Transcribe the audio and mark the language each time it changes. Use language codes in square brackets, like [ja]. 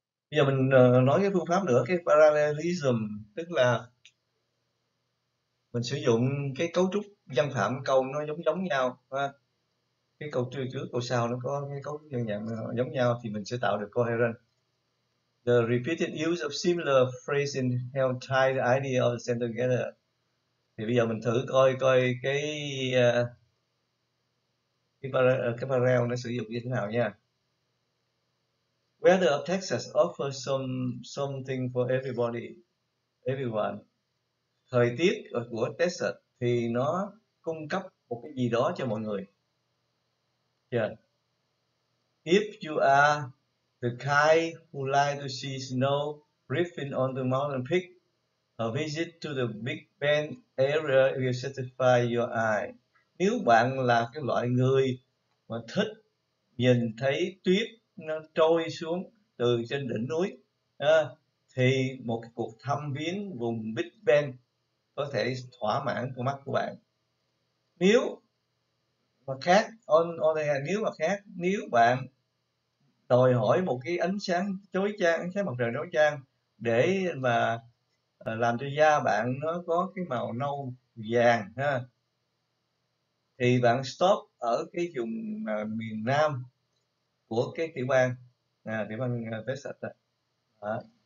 [vi] Bây giờ mình nói cái phương pháp nữa, cái parallelism, tức là mình sử dụng cái cấu trúc văn phạm câu nó giống giống nhau à, cái câu trước trước câu sau nó có cái cấu trúc giống nhau thì mình sẽ tạo được coherence. [en] The repeated use of similar phrasing help tie the idea of the sentence together. [vi] Thì bây giờ mình thử coi coi cái parallel nó sử dụng như thế nào nha. [en] Weather of Texas offers something for everybody, everyone. [vi] Thời tiết của Texas thì nó cung cấp một cái gì đó cho mọi người. [en] Yeah. If you are the kind who like to see snow drifting on the mountain peak, a visit to the Big Bend area will satisfy your eye. [vi] Nếu bạn là cái loại người mà thích nhìn thấy tuyết nó trôi xuống từ trên đỉnh núi à, thì một cuộc thăm viếng vùng Big Bend có thể thỏa mãn con mắt của bạn. Nếu mà khác, nếu mà khác, nếu bạn đòi hỏi một cái ánh sáng chói chang, ánh sáng mặt trời chói chang để mà làm cho da bạn nó có cái màu nâu vàng ha, thì bạn stop ở cái vùng miền Nam của cái tiểu bang à, tiểu bang Texas đó.